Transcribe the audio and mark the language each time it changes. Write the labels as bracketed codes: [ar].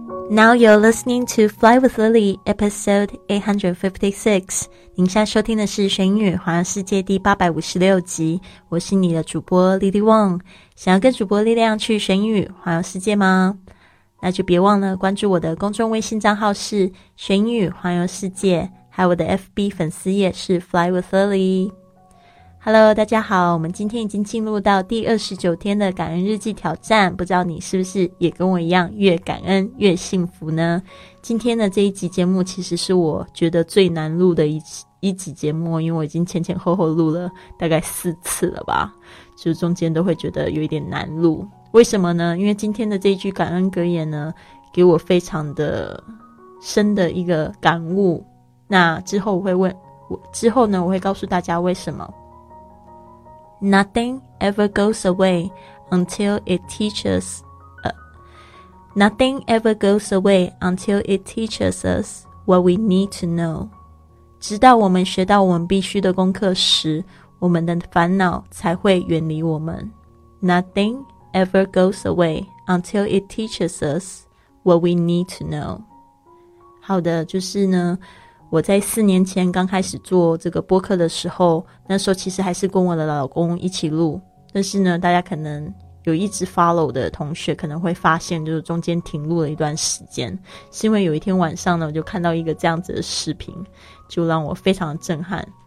[en] Now you're listening to Fly with Lily, episode 856. [zh] 您现在收听的是《学英语环游世界》第856集。我是你的主播 Lily Wong。想要跟主播力量去学英语环游世界吗？那就别忘了关注我的公众微信账号是《学英语环游世界》，还有我的 FB 粉丝页是 Fly with Lily。 Hello， 大家好，我们今天已经进入到第29天的感恩日记挑战，不知道你是不是也跟我一样越感恩越幸福呢？今天的这一集节目其实是我觉得最难录的一集节目，因为我已经前前后后录了大概四次了吧，就中间都会觉得有一点难录。为什么呢？因为今天的这一句感恩格言呢，给我非常的深的一个感悟。那之后我会告诉大家为什么。 [en] Nothing ever goes away until it teaches. Nothing ever goes away until it teaches us what we need to know. [zh] 直到我们学到我们必须的功课时，我们的烦恼才会远离我们。 [en] Nothing ever goes away until it teaches us what we need to know. [zh] 好的，就是呢。我在四年前刚开始做这个播客的时候，那时候其实还是跟我的老公一起录，但是呢大家可能有一直 follow 的同学可能会发现，就是中间停录了一段时间，是因为有一天晚上呢，我就看到一个这样子的视频，就让我非常震撼。